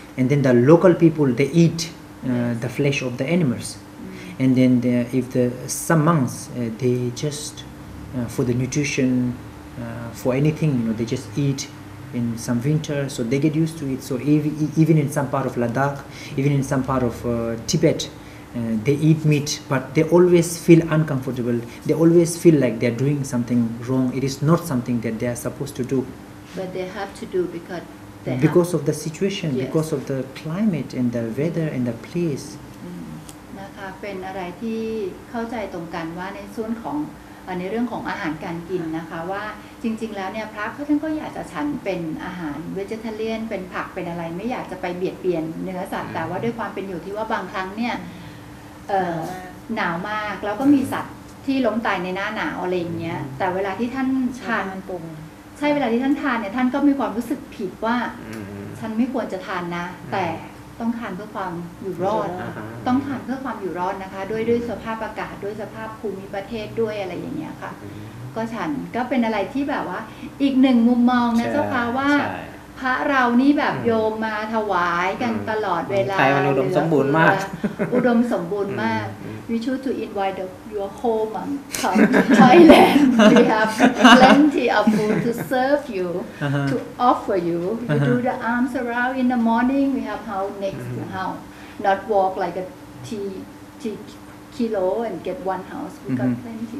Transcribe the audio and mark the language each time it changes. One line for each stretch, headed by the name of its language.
English: and then the local people they eat the flesh of the animals and then some monks they just for the nutrition for anything you know they just eat in some winter so they get used to it so even in some part of Ladakh even in some part of Tibet they eat meat but they always feel uncomfortable they always feel like they're doing something wrong it is not something that they are supposed to do but they have to do because they because of the situation yes. because of the climate and the weather and the place
Thai: นะคะเป็นอะไรที่เข้าใจตรงกันว่าในส่วนของ ในเรื่องของอาหารการกินนะคะว่าจริงๆแล้วเนี่ยพระท่านก็อยากจะฉันเป็นอาหารเวเจเทเรียนเป็นผักเป็นอะไรไม่อยากจะไปเบียดเบียนเนื้อสัตว์แต่ว่าด้วยความเป็นอยู่ที่ว่าบางครั้งเนี่ยหนาวมากแล้วก็มีสัตว์ที่ล้มตายในหน้าหนาวอะไรอย่างเงี้ยแต่เวลาที่ท่านทาน มันปรุง ใช่เวลาที่ท่านทานเนี่ยท่านก็มีความรู้สึกผิดว่าฉันไม่ควรจะทานนะแต่ต้องทานเพื่อความอยู่รอดต้องทานเพื่อความอยู่รอดนะคะด้วยสภาพอากาศด้วยสภาพภูมิประเทศด้วยอะไรอย่างเงี้ยค่ะก็ฉันก็เป็นอะไรที่แบบว่าอีกหนึ่งมุมมองนะเจ้าค่ะว่าพระเรานี่แบบโยมมาถวายกันตลอดเวลา ใช่มันอุดมสมบูรณ์มาก อุดมสมบูรณ์มาก
English: We choose to invite your home from Thailand We have plenty of food to serve you to offer you You do the arms around in the morning We have house next to house Not walk like a T-kilo and get one house We got plenty